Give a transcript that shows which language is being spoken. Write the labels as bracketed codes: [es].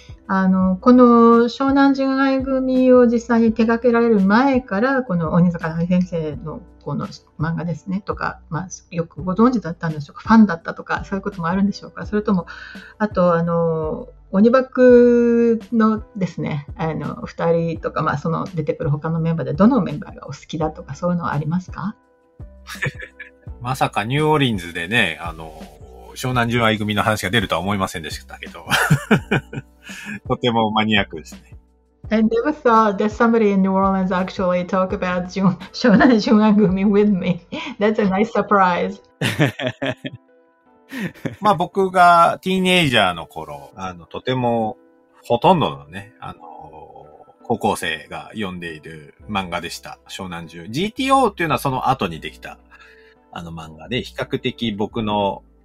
[ja] この湘南純愛組を実際に手掛けられる前からこの鬼塚大先生のこの漫画ですねとか、まあ、よくご存知だったんでしょうかファンだったとかそういうこともあるんでしょうかそれともあと鬼爆のですね2人とか、まあ、その出てくる他のメンバーでどのメンバーがお好きだとかそういうのはありますかまさかニューオリンズでね湘南純愛組の話が出るとは思いませんでしたけどとてもマニアックですね。 [en] I never thought that somebody in New Orleans actually talk about Shonan Junagumi with me. That's a nice surprise. [ja] まあ僕がティーネイジャーの頃、とてもほとんどのね、高校生が読んでいる漫画でした。 Shonan Jun GTO っていうのはその後にできた漫画で、比較的僕の